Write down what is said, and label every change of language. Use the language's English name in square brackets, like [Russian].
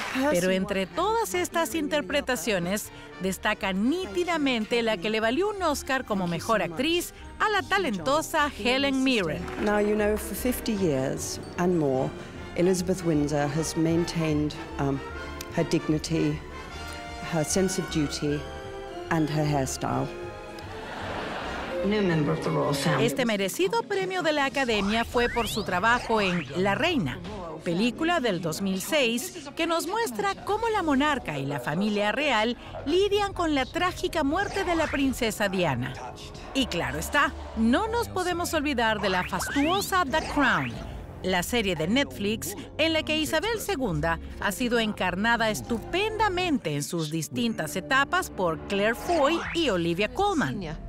[Spanish] Pero entre todas estas interpretaciones, destaca nítidamente la que le valió un Oscar como mejor actriz a la talentosa Helen Mirren. [English] Now you know, for 50 years and more, Elizabeth Windsor has maintained her dignity, her sense of duty, and her hairstyle. [Spanish] Este merecido premio de la Academia fue por su trabajo en La Reina, película del 2006 que nos muestra cómo la monarca y la familia real lidian con la trágica muerte de la princesa Diana. Y claro está, no nos podemos olvidar de la fastuosa The Crown, la serie de Netflix en la que Isabel II ha sido encarnada estupendamente en sus distintas etapas por Claire Foy y Olivia Colman.